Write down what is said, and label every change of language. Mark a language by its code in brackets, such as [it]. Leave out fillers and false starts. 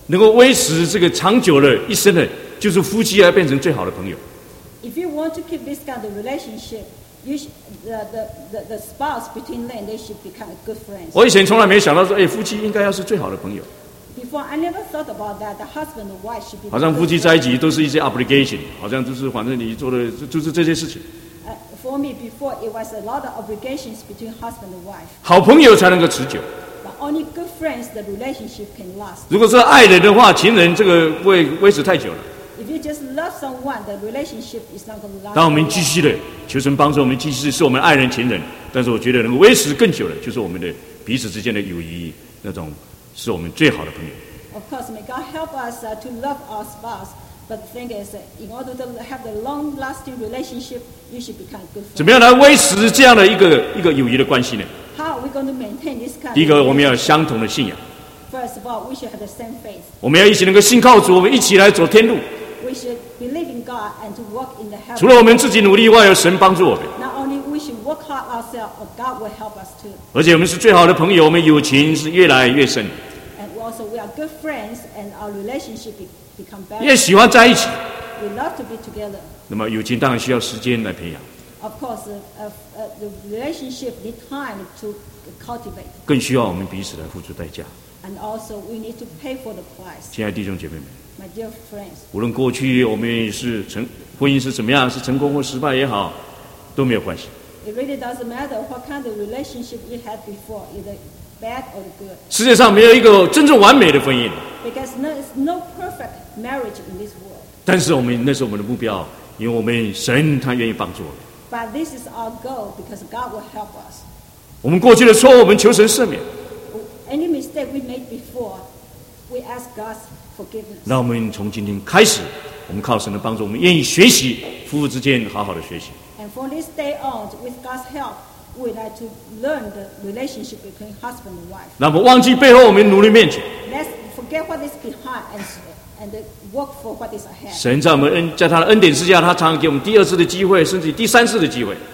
[zh] 能够维持这个长久的一生的就是夫妻要变成最好的朋友 [en] If you want to keep this kind of relationshipthe spouse between them, they should become a good friend. [zh] 我以前从来没想到说，哎，夫妻应该要是最好的朋友。 [en] Before I never thought about that, the husband and wife should be. [zh] 好像夫妻在一起都是一些 obligation， 好像就是反正你做的就是这些事情。 [en] For me, before it was a lot of obligations between husband and wife. [zh] 好朋友才能够持久。 [en] But only good friends, the relationship can last. [zh] 如果是爱人的话，情人这个不会维持太久了。 [en] If you just love someone, the relationship is not going to last. [zh] 当我们继续的求神帮助我们继续是我们爱人情人，但是我觉得能够维持更久的，就是我们的彼此之间的友谊，那种是我们最好的朋友。 [en] Of course, may God help us to love our spouse. But the thing is, in order to have the long-lasting relationship, you should become good friends. [zh] 怎么样来维持这样的一个友谊的关系呢 [en] ？How are we going to maintain this kind? [zh] 第一个，我们要相同的信仰。 [en] First of all, we should have the same faith. [zh] 我们要一起能够信靠主，我们一起来走天路。 [en] We should believe in God and to walk in the heaven. [zh] 除了我们自己努力外，有神帮助我们。 [en] Not only we should work hard ourselves, but God will help us too. [zh] 而且我们是最好的朋友，我们友情是越来越深。 [en] And also we are good friends, and our relationship become better. [zh] 越喜欢在一起。 [en] We love to be together. [zh] 那么友情当然需要时间来培养。 [en] Of course, the relationship need time to cultivate. [zh] 更需要我们彼此来付出代价。 [en] And also we need to pay for the price. [zh] 亲爱的弟兄姐妹们。 [en] My dear friends, [zh] 无论过去我们是婚姻是怎么样，是成功或失败也好，都没有关系。 [en] It really doesn't matter what kind of relationship you had before, either bad or good. [zh] 世界上没有一个真正完美的婚姻。 [en] Because there is no perfect marriage in this world. [zh] 但是我们那是我们的目标，因为我们神他愿意帮助我们。 [en] But this is our goal because God will help us. [zh] 我们过去的错误，我们求神赦免。 [en] Any mistake we made before, we ask God's. [zh] 让我们从今天开始，我们靠神的帮助，我们愿意学习夫妇之间好好的学习。 [en] And from this day on, with God's help, we like to learn the relationship between husband and wife. [zh] 那么忘记背后，我们努力面前。 [en] Let's forget what is behind and work for what is ahead. [zh] 神在我们在他的恩典之下，他常常给我们第二次的机会，甚至第三次的机会。